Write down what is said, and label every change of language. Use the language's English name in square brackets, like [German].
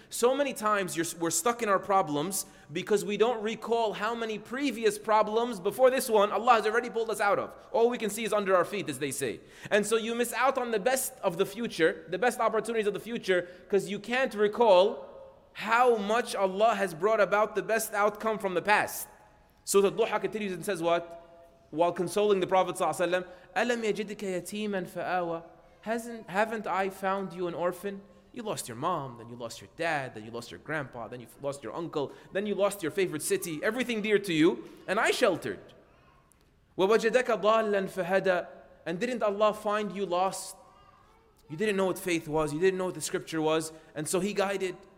[English] So many times we're stuck in our problems because we don't recall how many previous problems before this one Allah has already pulled us out of. All we can see is under our feet, as they say. And so you miss out on the best of the future, the best opportunities of the future, because you can't recall how much Allah has brought about the best outcome from the past. So the Duha continues and says what? While consoling the Prophet ﷺ, [Arabic] أَلَمْ يَجِدِكَ يَتِيمًا فَآوَى. [English] Haven't I found you an orphan? You lost your mom, then you lost your dad, then you lost your grandpa, then you lost your uncle, then you lost your favorite city, everything dear to you, and I sheltered. [Arabic] وَوَجَدَكَ ضَالًا فَهَدَى. [English] And didn't Allah find you lost? You didn't know what faith was, you didn't know what the scripture was, and so He guided.